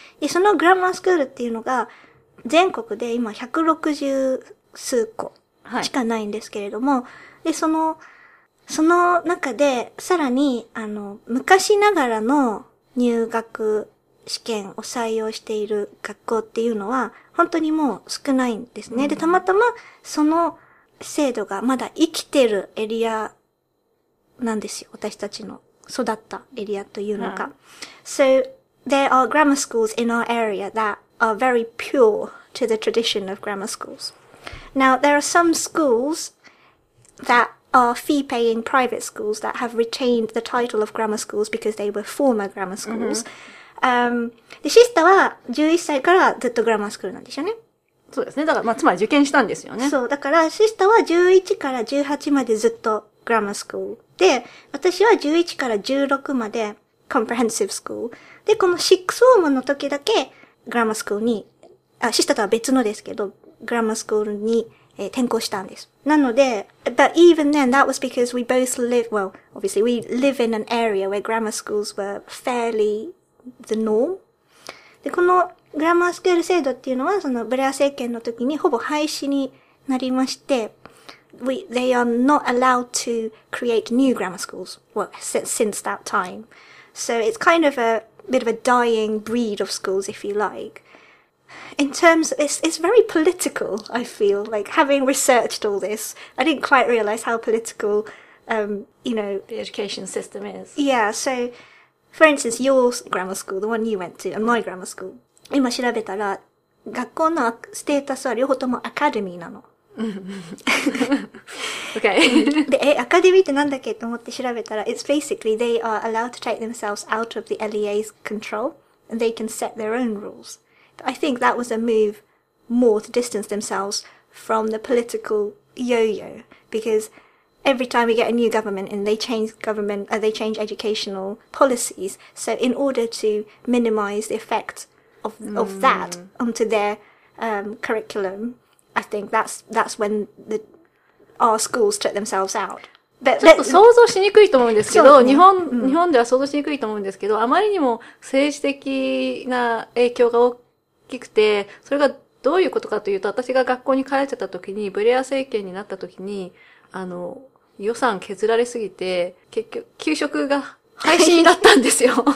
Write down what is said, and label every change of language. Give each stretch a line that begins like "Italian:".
Japanese: で、そのグラマースクールっていうのが全国で今160数校しかないんですけれども、はいで、その中で、さらに、昔ながらの入学試験を採用している学校っていうのは、本当にもう少ないんですね。うん、で、たまたま、その制度がまだ生きてるエリアなんですよ。私たちの育ったエリアというのが。
English: うん、so, there are grammar schools in our area that are very pure to the tradition of grammar schools. Now, there are some schools,that are fee-paying private schools that have retained the title of grammar schools because they were former grammar schools.、Mm-hmm.
Japanese: で、シスターは11歳からずっとグラマースクールなんでしょうね。そうですね。だから、まあ、つまり受験したんですよね。そう。だから、シスターは11から18までずっとグラマースクールで、私は11から16まで comprehensive school。で、この6フォームの時だけグラマースクールに、シスターとは別のですけど、グラマースクールに転校したんです。
English: なので、but even then, that was because we both live, well, obviously, we live in an area where grammar schools were fairly the norm.
Japanese: で、このグラマースクール制度っていうのは、そのブレア政権の時にほぼ廃止になりまして、
English: they are not allowed to create new grammar schools, well, since that time. So it's kind of a bit of a dying breed of schools, if you like. In terms, it's very political, I feel, like having researched all this, I didn't quite realize how political, you know, the education system is. Yeah, so, for instance, your grammar school, the one you went to, and my grammar school.
Japanese: 今調べたら、学校のステータスは両方ともアカデミーなの。
English: okay.
Japanese: で、アカデミーってなんだっけと思って調べたら、
English: it's basically they are allowed to take themselves out of the LEA's control, and they can set their own rules. I think that was a move more to distance themselves from the political yo-yo because every time we get a new government and they change educational policies. So in order to minimize the effect of that onto their curriculum, I think that's when our schools took themselves out.
Japanese: ちょっと想像しにくいと思うんですけど、ね、日本では想像しにくいと思うんですけど、あまりにも政治的な影響が大きい。大きくて、それがどういうことかというと、私が学校に帰ってた時に、ブレア政権になった時に、予算削られすぎて、結局、給食が廃止になったんですよ。